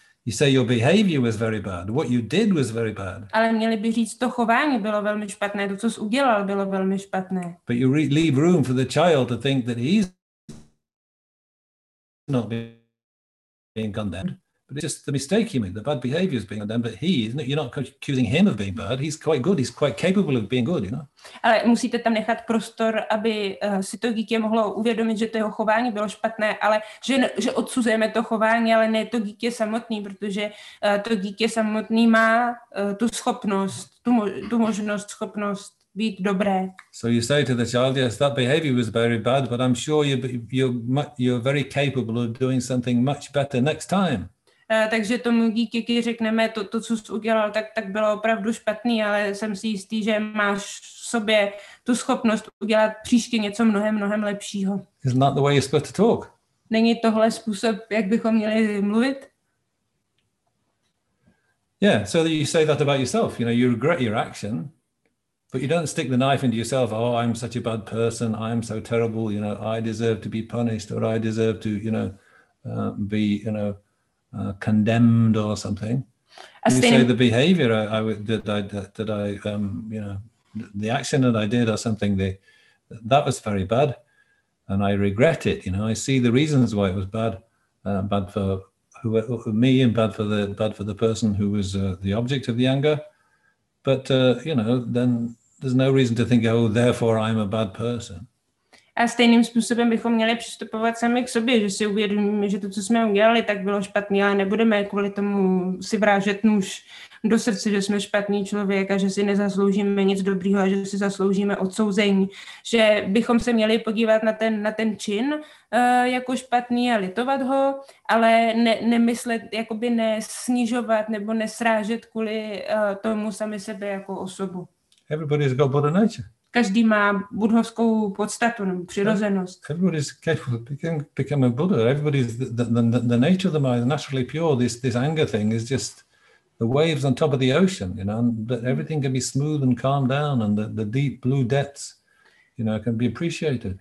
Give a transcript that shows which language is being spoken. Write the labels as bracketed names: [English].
[English] You say your behavior was very bad, what you did was very bad. [Czech] Ale měli by říct, to chování bylo velmi špatné, to, co jsi udělal, bylo velmi špatné. [English] But you leave room for the child to think that he's not being condemned, But it's just the mistake you made, the bad behavior is being condemned, but he is, you're not accusing him of being bad. He's quite good. He's quite capable of being good, you know. [Czech] Ale musíte tam nechat prostor, aby si to dítě mohlo uvědomit, že to jeho chování bylo špatné, ale že odsuzujeme to chování, ale ne to dítě samotný, protože to dítě samotný má tu schopnost, tu možnost, schopnost být dobré. [English] So you say to the child, yes, that behavior was very bad, but I'm sure you're very capable of doing something much better next time. [Czech] Takže tomu dítěti řekneme, to co jsi udělal, tak bylo opravdu špatný, ale jsem si jistý, že máš v sobě tu schopnost udělat příště něco mnohem, mnohem lepšího. [English] Isn't that the way you're supposed to talk? [Czech] Není tohle způsob, jak bychom měli mluvit? [English] Yeah, so you say that about yourself, you know, you regret your action. But you don't stick the knife into yourself, oh, I'm such a bad person, I'm so terrible, you know, I deserve to be punished, or I deserve to, you know, be, you know, condemned or something. You say the behavior the action that I did or something, that was very bad, and I regret it, you know, I see the reasons why it was bad, bad for who me and bad for the person who was the object of the anger, but, you know, then there's no reason to think, oh, therefore I'm a bad person. [Czech] A stejným způsobem bychom měli přistupovat sami k sobě, že si uvědomíme, že to, co jsme udělali, tak bylo špatný, ale nebudeme kvůli tomu si vrážet nůž do srdce, že jsme špatný člověk a že si nezasloužíme nic dobrýho a že si zasloužíme odsouzení. Že bychom se měli podívat na ten čin jako špatný a litovat ho, ale nemyslet, jakoby nesnižovat nebo nesrážet kvůli tomu sami sebe jako osobu. [English] Everybody's got Buddha nature. [Czech] Každý má buddhovskou podstatu nebo přirozenost. [English] Everybody's capable of becoming a Buddha. Everybody's the nature of the mind is naturally pure. This anger thing is just the waves on top of the ocean, you know, but everything can be smooth and calmed down and the deep blue depths, you know, can be appreciated.